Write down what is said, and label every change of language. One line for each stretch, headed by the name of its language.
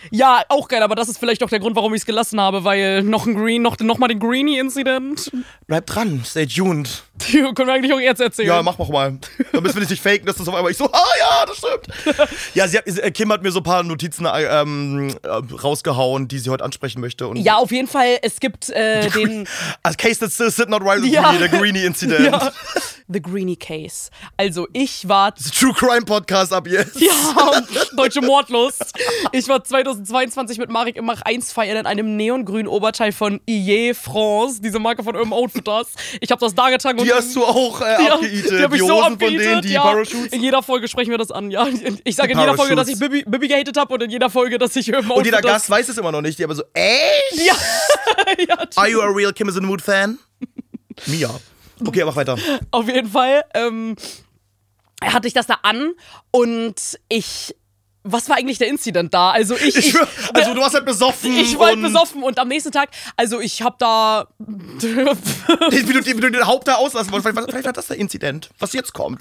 German: Ja, auch geil, aber das ist vielleicht auch der Grund, warum ich es gelassen habe, weil noch ein Green, noch mal den Greenie-Incident. Bleib dran, stay tuned. Die können wir eigentlich auch jetzt erzählen. Ja, mach noch mal. Da müssen wir nicht faken, dass das auf einmal ich so, ah ja, das stimmt. Ja, Kim hat mir so ein paar Notizen rausgehauen, die sie heute ansprechen möchte. Und ja, auf jeden Fall, es gibt den...
English: Also, Case that's still sitting not right with me, the Greenie Incident. Ja. The Greenie Case. Also, ich war... It's a True Crime Podcast ab jetzt.
German: Ja, deutsche Mordlust. Ich war 2022 mit Marek im Mach 1 feiern in einem neongrünen Oberteil von IE France, diese Marke von Urban Outfitters. Ich habe das da getan. Die hast du auch abgeeatet. Die Hosen so von denen, die Parachutes. In jeder Folge sprechen wir das an, ja. Ich sage in jeder Folge, dass ich Bibi gehatet habe und in jeder Folge, dass ich irgendwo. Und jeder Gast weiß es immer noch nicht. Die aber so, echt? Ja.
English: Are you a real Kim is in the Mood Fan?
German: Mia. Okay, mach weiter. Auf jeden Fall hatte ich das da an und ich... Was war eigentlich der Incident da? Also also du warst halt besoffen. Ich war besoffen und am nächsten Tag, also ich hab da... wie du den Haupt da auslassen wolltest, vielleicht war das der Incident, was jetzt kommt.